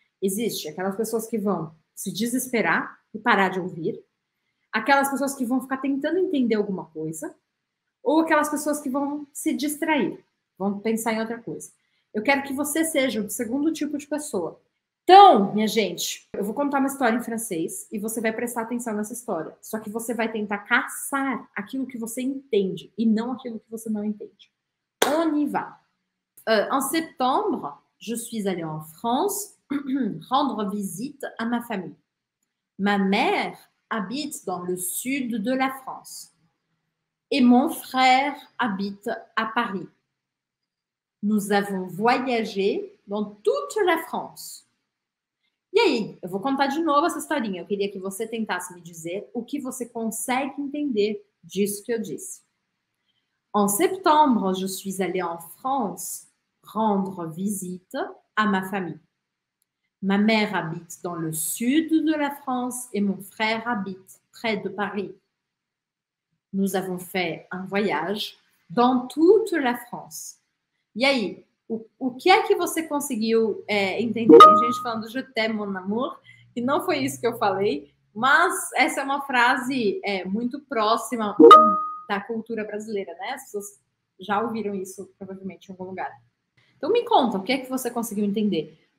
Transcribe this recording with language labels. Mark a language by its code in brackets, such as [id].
[pt] Existe aquelas pessoas que vão se desesperar e parar de ouvir, aquelas pessoas que vão ficar tentando entender alguma coisa, ou aquelas pessoas que vão se distrair, vão pensar em outra coisa. Eu quero que você seja o segundo tipo de pessoa. Então, minha gente, eu vou contar uma história em francês e você vai prestar atenção nessa história. Só que você vai tentar caçar aquilo que você entende e não aquilo que você não entende. [fr] On y va. En septembre, je suis allée en France rendre visite à ma famille. Ma mère habite dans le sud de la France et mon frère habite à Paris. Nous avons voyagé dans toute la France. [pt] E aí, eu vou contar de novo essa historinha. Eu queria que você tentasse me dizer o que você consegue entender disso que eu disse. [fr] En septembre, je suis allée en France rendre visite à ma famille. Ma mère habite dans le sud de la France et mon frère habite près de Paris. Nous avons fait un voyage dans toute la France. [pt] E aí? O que é que você conseguiu, entender? Tem gente falando [fr] je t'aime, mon amour, [pt] e não foi isso que eu falei, mas essa é uma frase, muito próxima da cultura brasileira, né? As pessoas já ouviram isso provavelmente em algum lugar. Então me conta, o que é que você conseguiu entender?